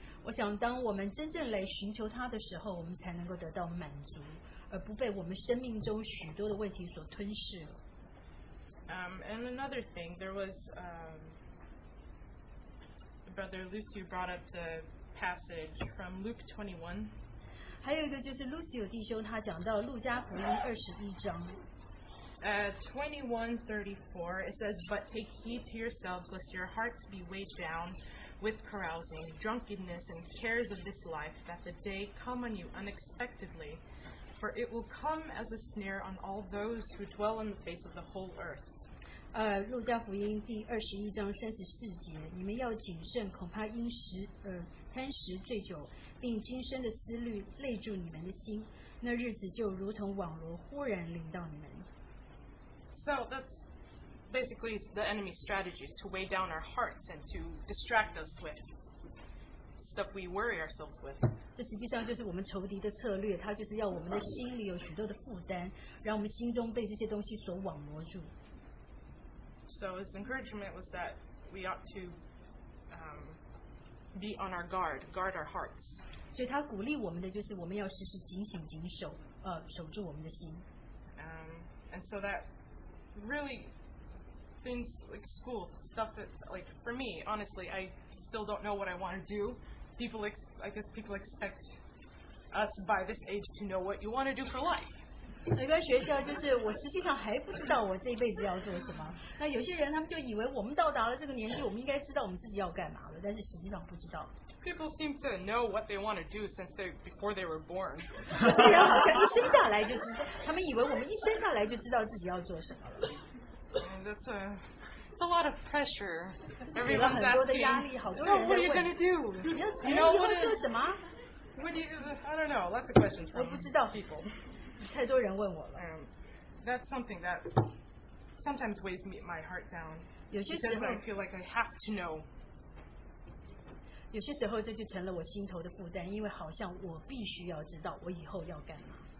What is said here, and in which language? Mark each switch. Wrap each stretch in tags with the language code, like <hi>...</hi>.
<zh>我想当我们真正来寻求他的时候，我们才能够得到满足，而不被我们生命中许多的问题所吞噬。</zh> <en>And another thing, there was Brother Lucy brought up the passage from Luke 21.</en> <zh>还有一个就是 Lucio 弟兄他讲到路加福音21章。</zh> <en>21:34 it says, "But take heed to yourselves, lest your hearts be weighed down with carousing, drunkenness, and cares of this life, that the day come on you unexpectedly, for it will come as a snare on all those who dwell on the face of the whole earth."</en> <zh>路加福音第二十一章三十四节，你们要谨慎，恐怕因贪食醉酒。并今生的思虑累住你们的心，那日子就如同网罗忽然临到你们。</zh> <en>So that's basically the enemy's strategy is to weigh down our hearts and to distract us with stuff we worry ourselves with.</en> <zh>这实际上就是我们仇敌的策略，他就是要我们的心里有许多的负担，让我们心中被这些东西所网罗住。</zh> <en>So his encouragement was that we ought to be on our guard our hearts.</en> <zh>所以他鼓励我们的就是我们要时时警醒谨守，守住我们的心。</zh> <en>And so that really things like school stuff that, like for me, honestly, I still don't know what I want to do. I guess people expect us by this age to know what you want to do for life.</en> <zh>一个学校就是我实际上还不知道我这一辈子要做什么。那有些人他们就以为我们到达了这个年纪，我们应该知道我们自己要干嘛了，但是实际上不知道。</zh> <en>People seem to know what they want to do since they before they were born.</en> <zh>有些人好像一生下来就知道，他们以为我们一生下来就知道自己要做什么了。</zh> <en>And that's a lot of pressure. Everyone's asking.</en> <zh>很多的压力，好多人问。</zh> <en>So what are you going to do? You know what?</en> <zh>你要做什么</zh> <en>？What do you? I don't know. Lots of questions from people.</en> <zh>我不知道 people. 太多人问我了。</zh> <en>That's something that sometimes weighs my heart down.</en> <zh>有些时候</zh> <en>I feel like I have to know.</en> <zh>有些时候这就成了我心头的负担，因为好像我必须要知道我以后要干嘛。</zh>